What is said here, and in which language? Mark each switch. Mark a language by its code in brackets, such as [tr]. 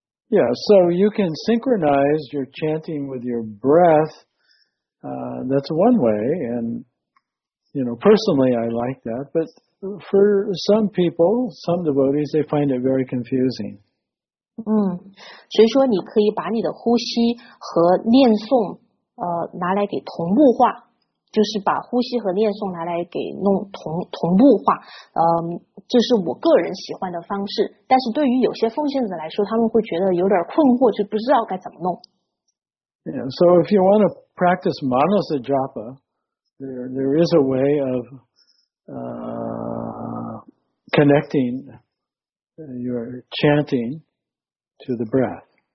[en] Yeah, so you can synchronize your chanting with your breath. That's one way, and you know, personally, I like that. But for some people, some devotees, they find it very confusing. [zh] 所以说你可以把你的呼吸和念诵，拿来给同步化，就是把呼吸和念诵拿来给弄同步化。这是我个人喜欢的方式。但是对于有些奉献者来说，他们会觉得有点困惑，就不知道该怎么弄。 [en] Yeah, so if you want to practice manasa japa, there is a way of connecting your chanting to the breath.